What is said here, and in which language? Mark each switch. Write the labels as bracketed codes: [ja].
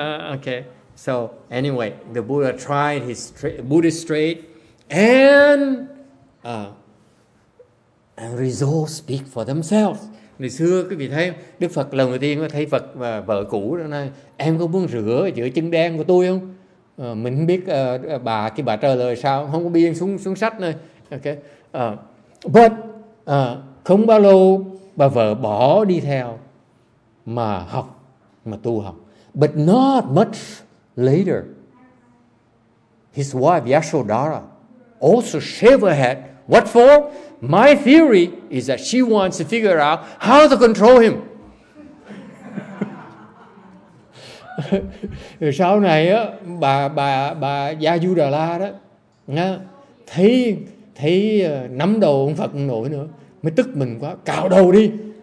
[en] Okay, so anyway, the Buddha tried his Buddhist trade and resolve speak for themselves. [vi] Ngày xưa quý vị thấy Đức Phật lần đầu tiên có thấy Phật và vợ cũ đó này, em có muốn rửa chân đen của tôi không? Mình biết bà trả lời sao, không có biên xuống sách này. Okay. But không bao lâu bà vợ bỏ đi theo mà học, mà tu học. [en] But not much later, his wife Yashodhara also shave her head. What for? My theory is that she wants to figure out how to control him. [vi] Sau này á, bà Yajudala đó nha, thấy nắm đầu ông Phật không nổi nữa, mới tức mình quá, cạo đầu đi.